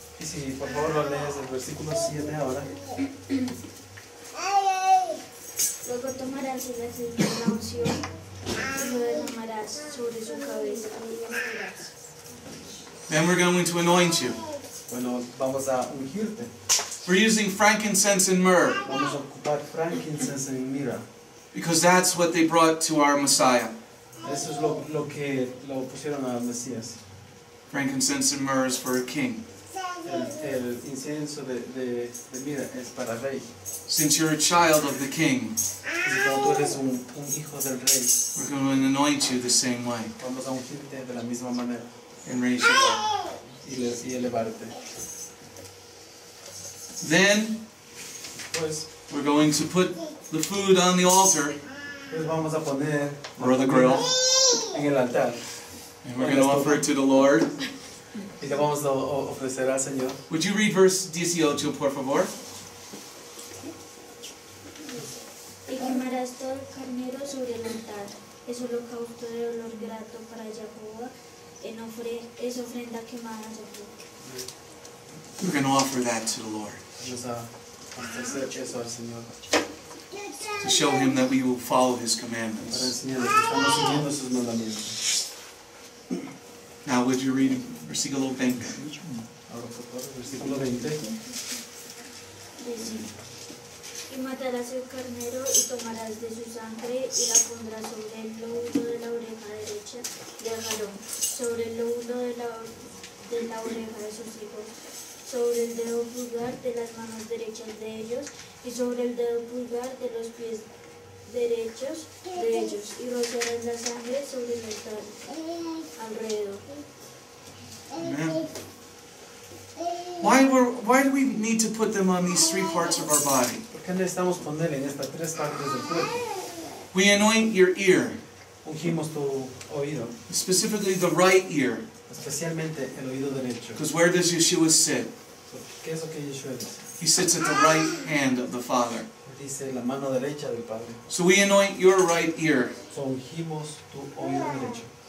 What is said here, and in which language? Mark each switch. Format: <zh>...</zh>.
<es>Y si por favor lo lees el versículo 7 ahora. Luego tomarás el aceite de la unción y lo derramarás sobre su cabeza y le ungirás.</es> <en>Then we're going to anoint you.</en> <es>Bueno, vamos a ungirte.</es> <en>We're using frankincense and myrrh.</en> <es>Vamos a ocupar frankincense y mirra.</es> <en>Because that's what they brought to our Messiah.</en> <es>Eso es lo que lo pusieron al Mesías.</es> <en>Frankincense and myrrh is for a king.</en> <es>El incienso de mira es para rey.</es> <en>Since you're a child of the king,</en> <es>tú eres un hijo del rey,</es> <en>we're going to anoint you the same way.</en> <es>Vamos a ungirte de la misma manera.</es> <en>And raise you up.</en> <es>Y elevarte.</es> <en>Then,</en> <es>pues,</es> <en>we're going to put the food on the altar,</en> <es>pues vamos a poner</es> <en>or the grill,</en> <es>en el altar.</es> <en>And we're going to offer it to the Lord.</en> <es>Y le vamos a ofrecer al Señor.</es> <en>Would you read verse 18,</en> <es>por favor? Y quemarás todo el carnero sobre el altar. Es holocausto de olor grato para Jehová. Es ofrenda quemada a Jehová.</es> <en>We're going to offer that to the Lord.</en> <es>Vamos a ofrecer eso al Señor.</es> <en>To show him that we will follow his commandments.</en> <es>Para enseñarle que estamos siguiendo sus mandamientos.</es> <en>Now, would you read versículo 20?</en> <es>Versículo 20. Y matarás el carnero y tomarás de su sangre y la pondrás sobre el lóbulo de la oreja derecha de Aarón, sobre el lóbulo de la oreja de sus hijos, sobre el dedo pulgar de las manos derechas de ellos y sobre el dedo pulgar de los pies derechos de ellos, y rociarás la sangre sobre el altar alrededor. Amen.</es> <en>Why do we need to put them on these three parts of our body?</en> <es>¿Por qué necesitamos poner en estas tres partes del cuerpo?</es> <en>We anoint your ear.</en> <es>Ungimos tu oído.</es> <en>Specifically the right ear.</en> <es>Especialmente el oído derecho.</es> <en>Because where does Yeshua sit?</en> <es>¿Qué es lo que Yeshua dice?</es> <en>He sits at the right hand of the Father.</en> <es>Dice la mano derecha del Padre.</es> <en>So we anoint your right ear.</en> <es>So ungimos tu oído derecho.</es>